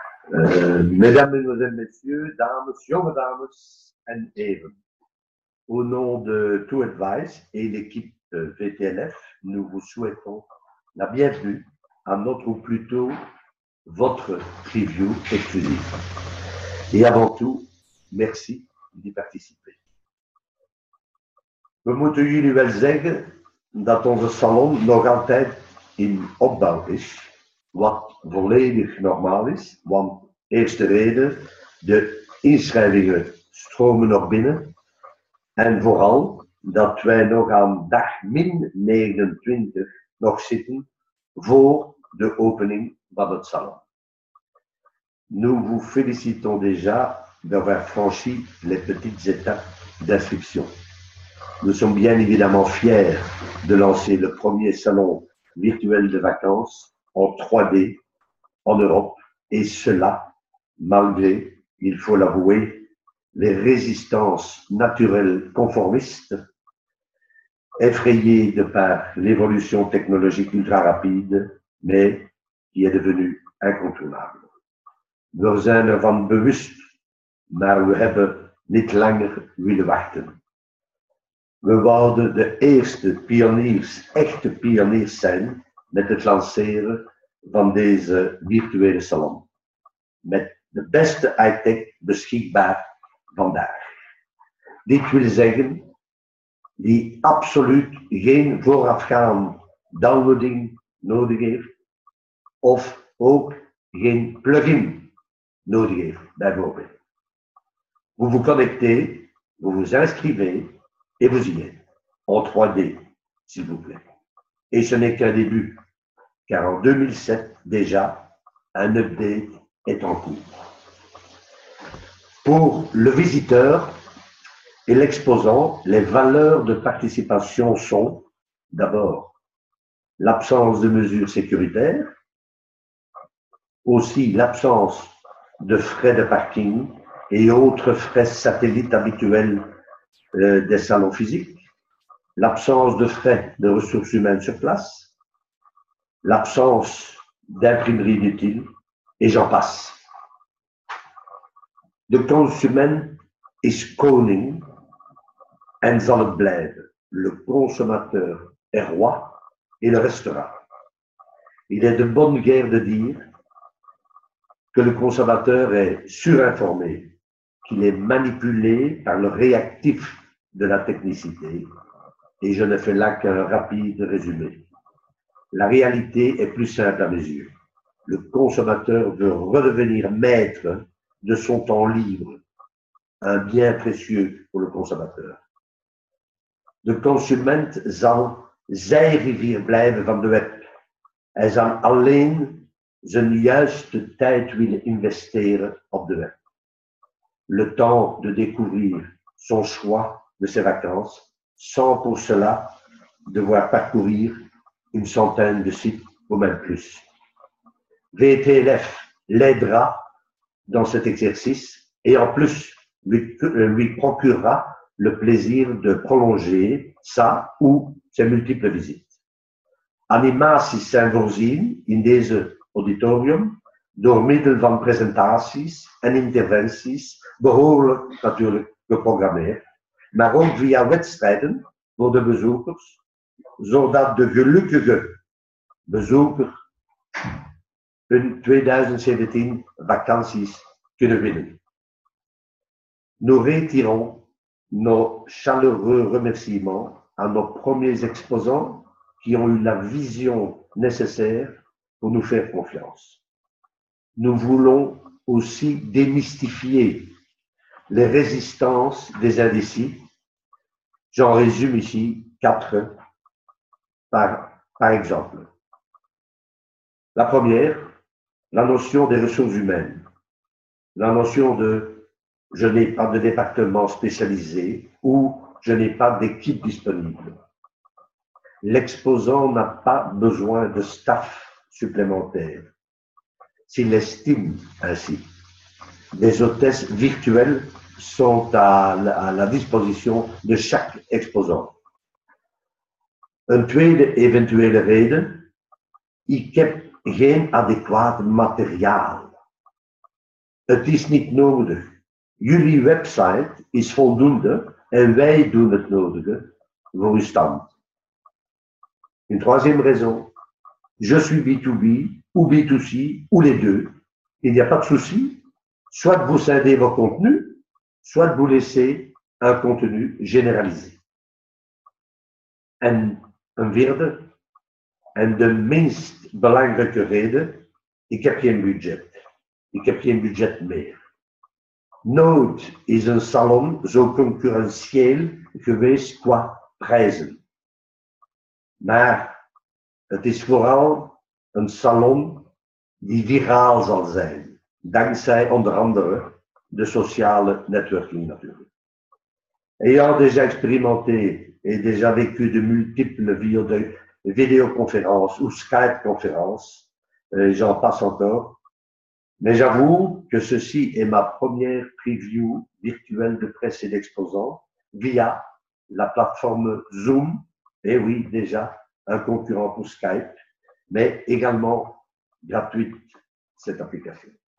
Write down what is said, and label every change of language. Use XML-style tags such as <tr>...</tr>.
<fr>Mesdames, Mesdemoiselles, Messieurs, Dames, Jomadames and Even, au nom de Two Advice et l'équipe VTLF, nous vous souhaitons la bienvenue à notre, ou plutôt votre, preview exclusive. Et avant tout, merci d'y participer. Le mot de Nouvelle-Zègle, dans ton salon, nous rentrons en Opbouwisch.</fr> <nl>Wat volledig normaal is, want eerste reden, de inschrijvingen stromen nog binnen. En vooral dat wij nog aan dag min 29 nog zitten voor de opening van het salon.</nl> <fr>Nous vous félicitons déjà d'avoir franchi les petites étapes d'inscription. Nous sommes bien évidemment fiers de lancer le premier salon virtuel de vacances en 3D en Europe, et cela malgré, il faut l'avouer, les résistances naturelles conformistes, effrayées de par l'évolution technologique ultra rapide, mais qui est devenue incontournable. Nous sommes</fr> <nl>ervan bewust,</nl> <fr>mais</fr> <nl>we hebben niet langer willen wachten. We wouden de eerste pioniers, echte pioniers zijn met het lanceren van deze virtuele salon, met de beste high-tech beschikbaar vandaag. Dit wil zeggen, die absoluut geen voorafgaande downloading nodig heeft, of ook geen plugin nodig heeft, bijvoorbeeld.</nl> <fr>Vous vous connectez, vous vous inscrivez, et vous y êtes, en 3D, s'il vous plaît. Et ce n'est qu'un début. Car en 2007, déjà, un update est en cours. Pour le visiteur et l'exposant, les valeurs de participation sont, d'abord, l'absence de mesures sécuritaires, aussi l'absence de frais de parking et autres frais satellites habituels des salons physiques, l'absence de frais de ressources humaines sur place, l'absence d'imprimerie inutile, et j'en passe.</fr> <en>The consumer is</en> <nl>koning en zal het blijven.</nl> <fr>Le consommateur est roi et le restera. Il est de bonne guerre de dire que le consommateur est surinformé, qu'il est manipulé par le réactif de la technicité, et je ne fais là qu'un rapide résumé. La réalité est plus simple à mes yeux. Le consommateur veut redevenir maître de son temps libre, un bien précieux pour le consommateur.</fr> <nl>De consument zal zijn rivier blijven van de web. Hij zal alleen zijn juiste tijd willen investeren op de web.</nl> <fr>Le temps de découvrir son choix de ses vacances, sans pour cela devoir parcourir une centaine de sites ou même plus. VTLF l'aidera dans cet exercice et en plus lui procurera le plaisir de prolonger sa ou ses multiples visites.</fr> <nl>Animaties zijn voorzien in deze auditorium door middel van presentaties en interventies, behoorlijk natuurlijk geprogrammeerd, maar ook via wedstrijden voor de bezoekers, zodat de gelukkige bezoeker hun 2017 vakanties kunnen winnen.</nl> <fr>Nous retirons nos chaleureux remerciements à nos premiers exposants qui ont eu la vision nécessaire pour nous faire confiance. Nous voulons aussi démystifier les résistances des indécis. J'en résume ici quatre. Par exemple, la première, la notion des ressources humaines, la notion de « je n'ai pas de département spécialisé » ou « je n'ai pas d'équipe disponible ». L'exposant n'a pas besoin de staff supplémentaire, s'il estime ainsi. Des hôtesses virtuelles sont à la disposition de chaque exposant.</fr> <nl>Een tweede eventuele reden, ik heb geen adequaat materiaal. Het is niet nodig. Jullie website is voldoende en wij doen het nodige voor uw stand.</nl> <fr>Une troisième raison. Je suis B2B ou B2C ou les deux. Il n'y a pas de souci. Soit vous scindez vos contenus, soit vous laissez un contenu généralisé.</fr> <nl>En een vierde. En de minst belangrijke reden. Ik heb geen budget. Ik heb geen budget meer. Nooit is een salon zo concurrentieel geweest qua prijzen. Maar het is vooral een salon die viraal zal zijn. Dankzij onder andere de sociale networking natuurlijk.</nl> <fr>Ayant déjà expérimenté et déjà vécu de multiples vidéoconférences ou Skype-conférences, j'en passe encore, mais j'avoue que ceci est ma première preview virtuelle de presse et d'exposants via la plateforme Zoom, et oui, déjà un concurrent pour Skype, mais également gratuite cette application.</fr>